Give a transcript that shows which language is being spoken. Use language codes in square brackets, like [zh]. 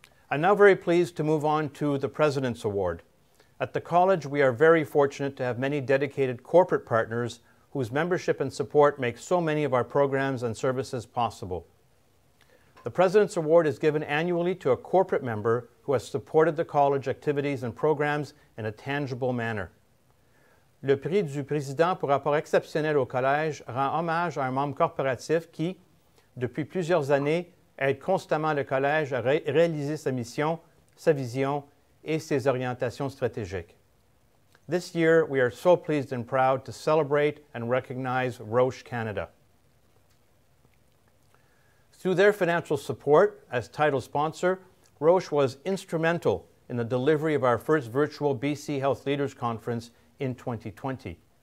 [en] I'm now very pleased to move on to the President's Award. At the College, we are very fortunate to have many dedicated corporate partners whose membership and support makes so many of our programs and services possible. The President's Award is given annually to a corporate member who has supported the college activities and programs in a tangible manner. [fr] Le Prix du Président pour rapport exceptionnel au Collège rend hommage à un membre corporatif qui, depuis plusieurs années, aide constamment le Collège à réaliser sa mission, sa vision et ses orientations stratégiques. [en] This year, we are so pleased and proud to celebrate and recognize Roche Canada. Through their financial support as title sponsor, Roche was instrumental in the delivery of our first virtual BC Health Leaders Conference in 2020.